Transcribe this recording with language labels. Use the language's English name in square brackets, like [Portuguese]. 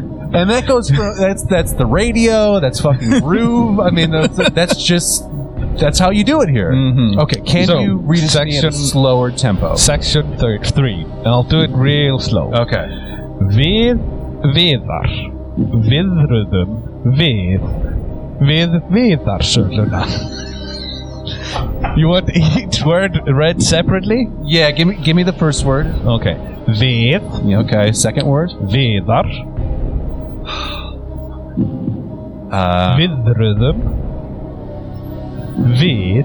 [English] And that goes for that's the radio, that's fucking Roof. I mean, that's how you do it here. Mm-hmm. Okay, can you read it at a slower tempo? Section 3. And I'll do it real slow. Okay. [Icelandic] Viðar viðruðum við viðarsöluna. [English] You want each word read separately? Yeah, give me the first word. Okay. Við. Okay, second word. [Icelandic] Viðar. Viðruðum. Við.